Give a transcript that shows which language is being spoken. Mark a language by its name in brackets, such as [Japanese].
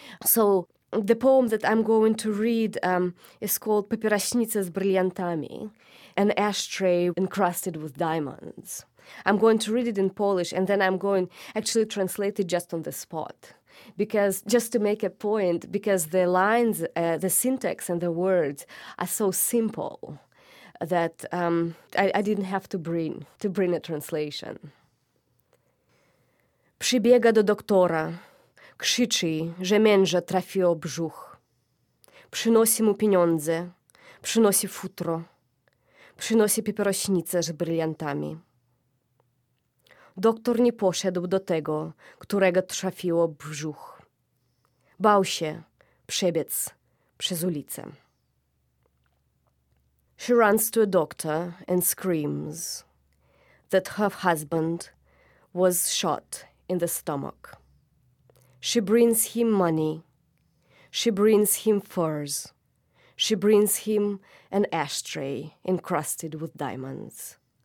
[English] So the poem that I'm going to read is called «Papirashnitsa s brilliantami», an ashtray encrusted with diamonds. I'm going to read it in Polish, and then I'm going actually translate it just on the spot. because just to make a point, because the lines, the syntax and the words are so simple that I didn't have to bring a translation. [Polish] Przybiega do doktora, krzyczy, że męża trafił w brzuch. Przynosi mu pieniądze, przynosi futro, przynosi pieprośnicę z brylantami. Doktor nie poszedł do tego, którego trafiło w brzuch. Bał się przebiec przez ulicę. [English] She runs to a doctor and screams that her husband was shot in the stomach. She brings him money. She brings him furs. She brings him an ashtray encrusted with diamonds.